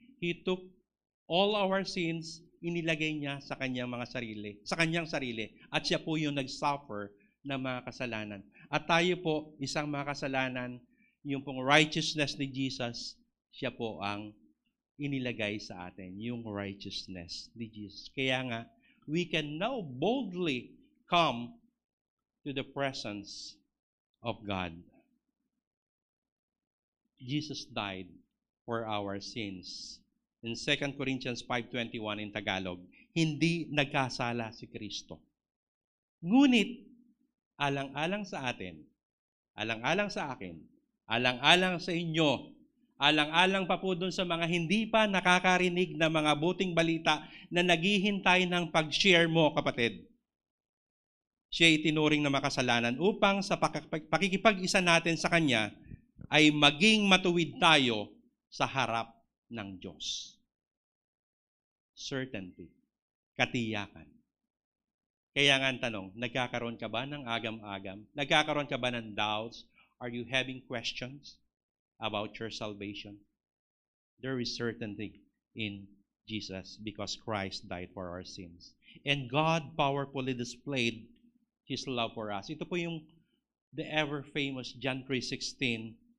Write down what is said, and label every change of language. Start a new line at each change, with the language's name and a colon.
English: He took all our sins,
Filipino: inilagay niya sa kanyang mga sarili, sa kanyang sarili, at siya po yung nag-suffer ng mga kasalanan. At tayo po, isang mga kasalanan, yung pong righteousness ni Jesus, siya po ang inilagay sa atin, yung righteousness ni Jesus. Kaya nga,
English: we can now boldly come to the presence of God. Jesus died for our sins. In 2 Corinthians 5:21 in Tagalog,
Filipino: hindi nagkasala si Kristo. Ngunit, alang-alang sa atin, alang-alang sa akin, alang-alang sa inyo, alang-alang pa po dun sa mga hindi pa nakakarinig ng mga buting balita na naghihintay ng pag-share mo, kapatid. Siya itinuring na makasalanan upang sa pakikipag-isa natin sa Kanya ay maging matuwid tayo sa harap ng Diyos. Certainty. Katiyakan. Kaya nga ang tanong, nagkakaroon ka ba ng agam-agam? Nagkakaroon ka ba ng doubts?
English: Are you having questions about your salvation? There is certainty in Jesus because Christ died for our sins. And God powerfully displayed His love for us.
Filipino: Ito po yung
English: the ever-famous John 3:16.